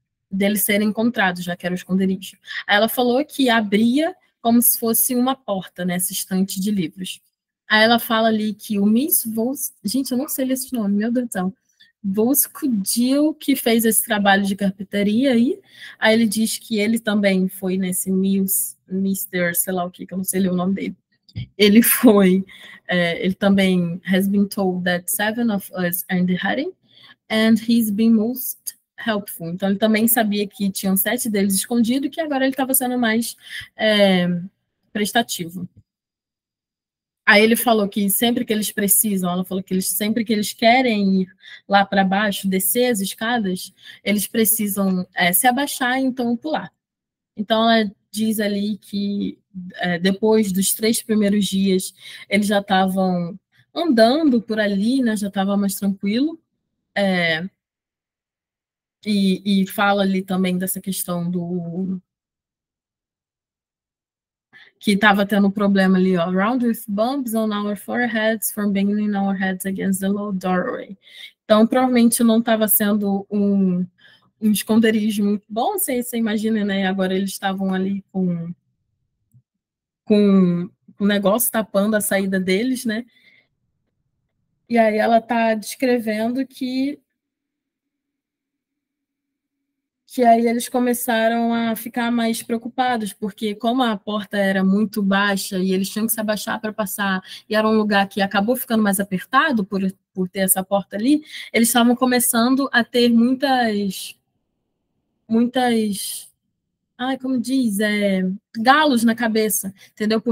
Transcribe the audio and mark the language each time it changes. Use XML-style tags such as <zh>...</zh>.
<pt>deles serem encontrados, já que era o esconderijo. Aí ela falou que abria como se fosse uma porta nessa estante de livros. Aí ela fala ali que o Miss Vos, gente, eu não sei ler esse nome, meu Deus do céu. Vosco Dil, que fez esse trabalho de carpintaria aí. Aí ele diz que ele também foi nesse Miss, Mister, sei lá o que, que eu não sei ler o nome dele. Ele foi, ele também</pt> <en>has been told that seven of us are in the hiding, and he's been most helpful.</en> <pt>Então ele também sabia que tinham sete deles escondidos e que agora ele estava sendo mais prestativo. Aí ele falou que sempre que eles precisam, ela falou que eles sempre que eles querem ir lá para baixo, descer as escadas, eles precisam se abaixar, então pular. Então ela diz ali que depois dos 3 primeiros dias eles já estavam andando por ali, né? Já estava mais tranquilo. E fala ali também dessa questão do que estava tendo um problema ali, ó.</pt> <en>Round with bumps on our foreheads from banging our heads against the low doorway.</en> <pt>Então, provavelmente não estava sendo um esconderijo muito bom, você imagina, né? Agora eles estavam ali com o negócio tapando a saída deles, né? E aí ela tá descrevendo que aí eles começaram a ficar mais preocupados, porque como a porta era muito baixa e eles tinham que se abaixar para passar, e era um lugar que acabou ficando mais apertado por ter essa porta ali, eles estavam começando a ter muitas, ai, como diz, galos na cabeça, entendeu?</pt>